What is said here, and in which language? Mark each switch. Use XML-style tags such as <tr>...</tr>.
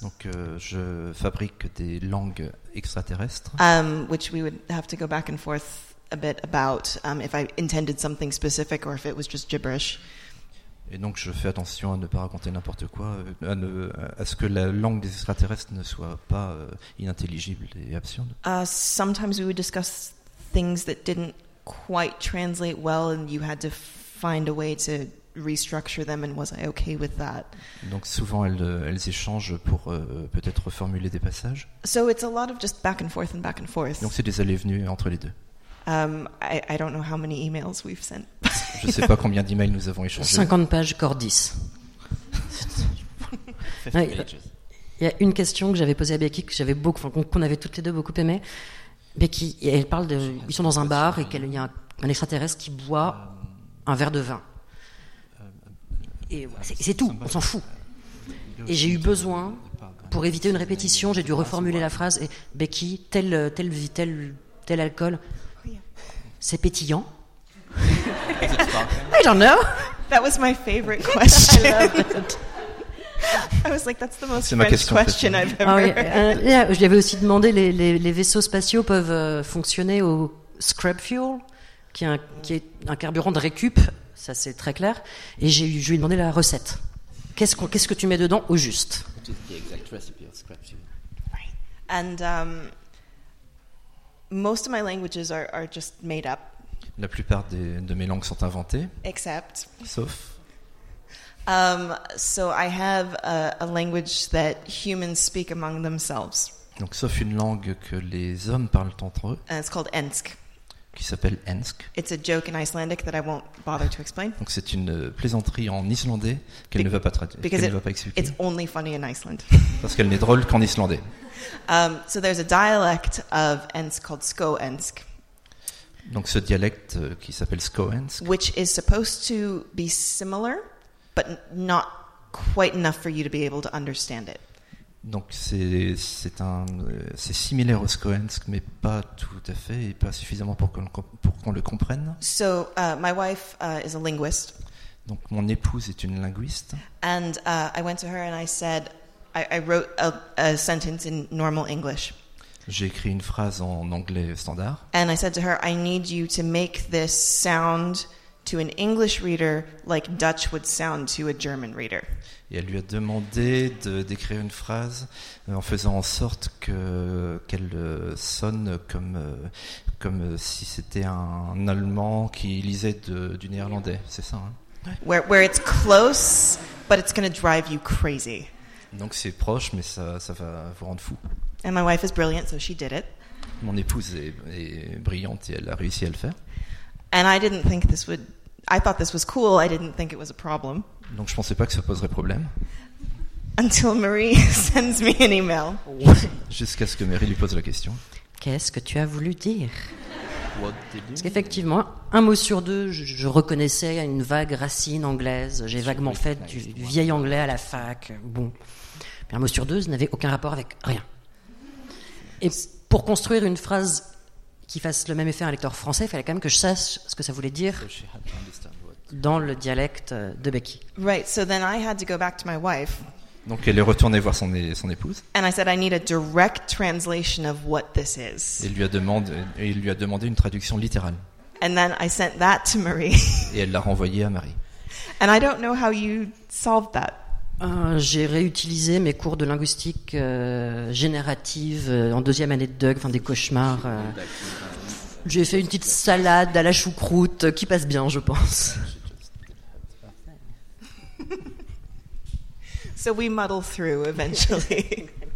<fr>Donc je fabrique des langues extraterrestres.</fr> <en>Which we would have to go back and forth a bit about if I intended something specific or if it was just gibberish.</en> <fr>Et donc je fais attention à ne pas raconter n'importe quoi, à ce que la langue des extraterrestres ne soit pas inintelligible et absurde.</fr> <en>Sometimes we would discuss things that didn't quite translate well and you had to find a way to restructure them and was I okay with that?</en> <fr>Donc souvent elles échangent pour peut-être reformuler des passages.</fr> <en>So it's a lot of just back and forth and back and forth.</en> <fr>Donc c'est des allées-venues entre les deux.</fr> <en>I don't know how many emails we've sent.</en> <fr>Je sais pas combien d'emails nous avons échangé. 50 pages corps 10. Il y a une question que j'avais posée à Becky que j'avais beaucoup qu'on avait toutes les deux beaucoup aimé. Becky, elle parle de, ils sont dans un bar et qu'il y a un extraterrestre qui boit un verre de vin. Et c'est tout, on s'en fout. Et j'ai eu besoin, pour éviter une répétition, j'ai dû reformuler la phrase. Et Becky, tel alcool, c'est pétillant.</fr> <en>I don't know. That was my favorite question. I was like, that's the most French question I've ever heard.</en> <fr>Je lui avais aussi demandé, les vaisseaux spatiaux peuvent fonctionner au scrap fuel, qui est un carburant de récup, ça c'est très clair. Et je lui ai demandé la recette. Qu'est-ce que tu mets dedans au juste?</fr> <en>What is the exact recipe of scrap fuel? Right. And most of my languages are just made up.</en> <fr>La plupart de mes langues sont inventées.</fr> <en>Except.</en> <fr>Sauf.</fr> <en>So I have a language that humans speak among themselves.</en> <fr>Donc sauf une langue que les hommes parlent entre eux.</fr> <en>And it's called Ensk.</en> <fr>Qui s'appelle Ensk.</fr> <en>It's a joke in Icelandic that I won't bother to explain.</en> <fr>Donc c'est une plaisanterie en islandais qu'elle ne va pas traduire.</fr> <en>Because</en> <fr>ne va pas expliquer.</fr> <en>It's only funny in Iceland.</en> <fr>Parce qu'elle n'est drôle qu'en islandais.</fr> <en>So there's a dialect of Ensk called Skoensk.</en> <fr>Donc ce dialecte qui s'appelle Skoensk.</fr> <en>Which is supposed to be similar. But not quite enough for you to be able to understand it.</en> <fr>Donc c'est similaire au Skoensk, mais pas tout à fait et pas suffisamment pour qu'on le comprenne.</fr> <en>So my wife is a linguist.</en> <fr>Donc mon épouse est une linguiste.</fr> <en>And I went to her and I said, I wrote a sentence in normal English.</en> <fr>J'ai écrit une phrase en anglais standard.</fr> <en>And I said to her, I need you to make this sound to an English reader like Dutch would sound to a German reader.</en> <fr>Et elle lui a demandé d'écrire une phrase en faisant en sorte qu'elle sonne comme si c'était un Allemand qui lisait du néerlandais, c'est ça, hein?</fr> <en>Where it's close, but it's going to drive you crazy.</en> <fr>Donc c'est proche, mais ça va vous rendre fou.</fr> <en>And my wife is brilliant, so she did it.</en> <fr>Mon épouse est brillante et elle a réussi à le faire.</fr> <en>And I didn't think this would. I thought this was cool. I didn't think it was a problem.</en> <fr>Donc je pensais pas que ça poserait problème.</fr> <en>Until Marie sends me an email.</en> <fr>Jusqu'à ce que Marie lui pose la question. Qu'est-ce que tu as voulu dire?</fr> <en>What did you mean?</en> <fr>Parce qu'effectivement, un mot sur deux, je reconnaissais une vague racine anglaise. J'ai vaguement fait du vieil anglais à la fac. Bon, mais un mot sur deux, ça n'avait aucun rapport avec rien. Et pour construire une phrase qui fasse le même effet à un lecteur français, il fallait quand même que je sache ce que ça voulait dire dans le dialecte de Becky.</fr> <en>Right, so then I had to go back to my wife.</en> <fr>Donc elle est retournée voir son épouse.</fr> <en>And I said I need a direct translation of what this is.</en> <fr>Il lui a demandé une traduction littérale.</fr> <en>And then I sent that to Marie.</en> <fr>Et elle l'a renvoyé à Marie.</fr> <en>And I don't know how you solved that.</en> <fr>J'ai réutilisé mes cours de linguistique générative en deuxième année de Doug, enfin des cauchemars. J'ai fait une petite salade à la choucroute qui passe bien, je pense.</fr> <en>So we muddle through eventually.</en>